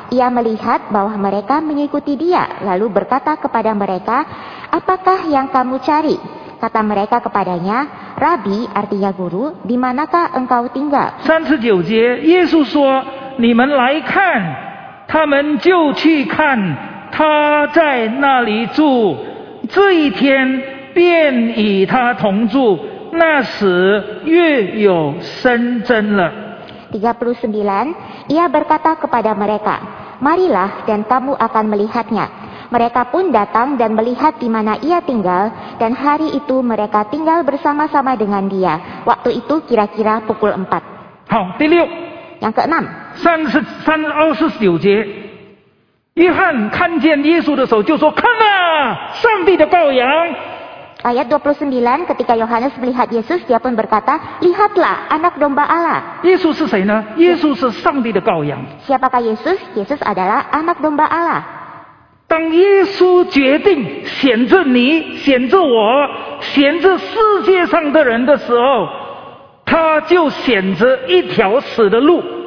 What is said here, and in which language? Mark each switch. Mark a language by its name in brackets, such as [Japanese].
[Indonesian] Ia melihat bahwa mereka mengikuti dia, lalu berkata kepada mereka, "Apakah yang kamu cari?" Kata mereka kepadanya, "Rabi," artinya guru, "di manakah engkau tinggal?" [Chinese] 39节, Yesus 说, "你们来看." 他们就去看, 他在那里住, 这一天, 便与他同住, 那时月有深真了。 [Indonesian] 39, ia berkata kepada mereka, "Marilah dan kamu akan melihatnya." Mereka pun datang dan melihat di mana ia tinggal, dan hari itu mereka tinggal bersama-sama dengan dia. Waktu itu kira-kira pukul 4. [Chinese] 好, 第六, [Indonesian] yang keenam. [Chinese] 39节, 约翰看见耶稣的时候就说，看啊，上帝的羔羊。 [Indonesian] Ayat 29, ketika Yohanes melihat Yesus, dia pun berkata, "Lihatlah, anak domba Allah." [Chinese] Yesus 是谁呢? Yesus 是上帝的羔羊. [Indonesian] Siapakah Yesus? Yesus adalah anak domba Allah. [Chinese] 当耶稣决定选择你，选择我，选择世界上的人的时候，他就选择一条死的路。